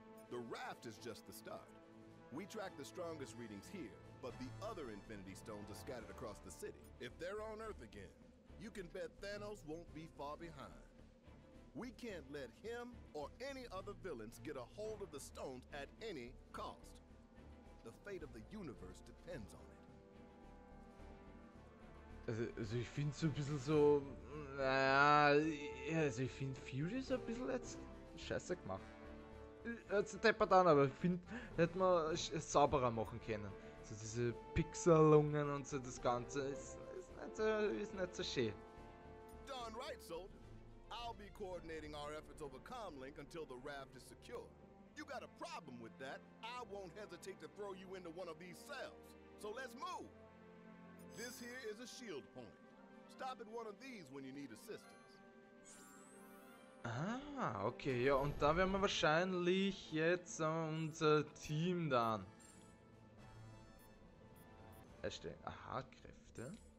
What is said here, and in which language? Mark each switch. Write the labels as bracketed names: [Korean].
[English] The raft is just the start. We track the strongest readings here, but the other Infinity Stones are scattered across the city. If they're on Earth again, you can bet Thanos won't be far behind. We can't let him or any other villains get a hold of the stones at any cost. The fate of the universe depends on it. [German] Also ich finde so ein bisschen so, naja, also ich finde Fury so ein bisschen jetzt scheiße gemacht. Jetzt teppert an, aber ich finde, hätte man es sauberer machen können. So diese Pixelungen und so das Ganze ist nicht so schön. [English] Darn right, so. I'll be coordinating our efforts over Comlink until the raft is secure. You got a problem with that? I won't hesitate to throw you into one of these cells. So let's move. This here is a shield point. Stop at one of these when you need assistance. [German] Ah, okay. Ja, und da werden wir wahrscheinlich jetzt unser Team dann. Erstellen. Aha, Kräfte.